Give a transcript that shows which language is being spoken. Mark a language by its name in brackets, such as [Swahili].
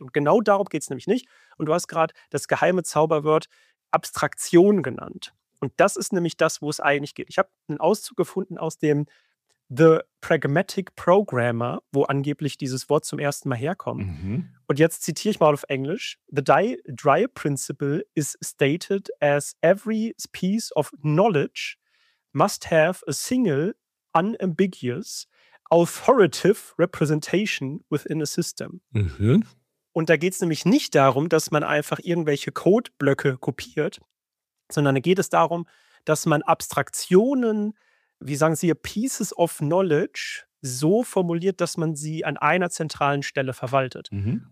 [German] Und genau darum geht es nämlich nicht. Und du hast gerade das geheime Zauberwort Abstraktion genannt. Und das ist nämlich das, wo es eigentlich geht. Ich habe einen Auszug gefunden aus dem The Pragmatic Programmer, wo angeblich dieses Wort zum ersten Mal herkommt. Mhm. Und jetzt zitiere ich mal auf Englisch. [English] The Dreier Principle is stated as every piece of knowledge must have a single, unambiguous, authoritative representation within a system. Mhm. [German] Und da geht es nämlich nicht darum, dass man einfach irgendwelche Codeblöcke kopiert, sondern da geht es darum, dass man Abstraktionen, wie sagen Sie hier, [English] Pieces of Knowledge, [German] so formuliert, dass man sie an einer zentralen Stelle verwaltet. Mhm.